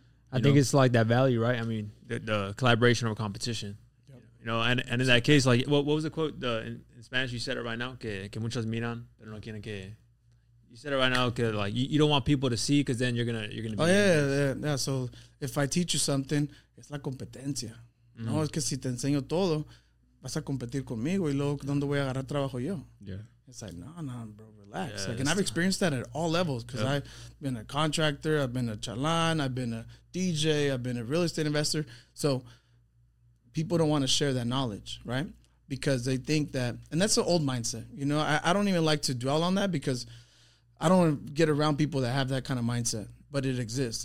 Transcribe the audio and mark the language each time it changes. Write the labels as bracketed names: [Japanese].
[English] I think it's like that value, right? I mean, the collaboration or competition, you know, and in that case, like, what was the quote in Spanish? You said it right now. [Spanish] Que muchos miran, pero no quieren que. You said it right now. [English] Que, like, you don't want people to see, because then you're going to. Oh, yeah. So if I teach you something, it's la competencia. [Spanish] No, es que si te enseño todo, vas a competir conmigo y luego, ¿dónde voy a agarrar trabajo yo? [English] Yeah. It's like, no, bro. Relax. Yeah, like, and I've experienced that at all levels, because I've been a contractor, I've been a chalan, I've been a DJ, I've been a real estate investor. So people don't want to share that knowledge, right? Because they think that, and that's the old mindset. You know, I don't even like to dwell on that, because I don't get around people that have that kind of mindset, but it exists.